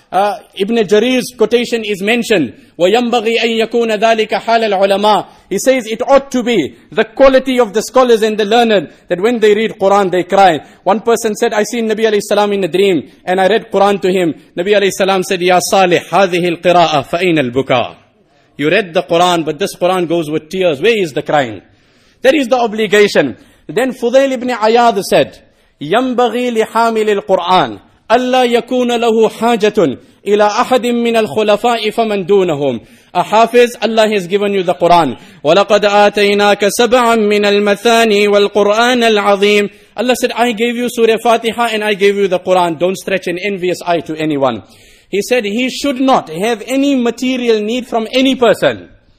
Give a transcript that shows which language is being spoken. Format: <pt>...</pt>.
<en>Ibn Jarir's quotation is mentioned.</en> <ar>وَيَنْبَغِي أَن يَكُونَ ذَلِكَ حَالَ الْعُلَمَاءِ.</ar> <en>He says it ought to be the quality of the scholars and the learned that when they read Quran, they cry. One person said, I seen Nabi alayhi salam in a dream and I read Quran to him. Nabi alayhi salam said,</en> <ar>يَا صَالِحْ هَذِهِ الْقِرَاءَ فَأَيْنَ الْبُكَاءِ.</ar> <en>You read the Quran, but this Quran goes with tears. Where is the crying? That is the obligation. Then Fudail ibn Ayyad said,</en> <ar>يَنْبَغِي لِحَامِلِ الْقُرْآنِ أَلَّا يَكُونَ لَهُ حَاجَةٌ إِلَىٰ أَحَدٍ مِّنَ الْخُلَفَاءِ فَمَن دُونَهُمْ.</ar> <en>A Hafiz, Allah has given you the Qur'an.</en> <ar>وَلَقَدْ آتَيْنَاكَ سَبْعًا مِّنَ الْمَثَانِي وَالْقُرْآنَ الْعَظِيمِ.</ar> <en>Allah said, I gave you Surah Fatiha and I gave you the Qur'an. Don't stretch an envious eye to anyone. He said, he should not have any material need from any person.</en>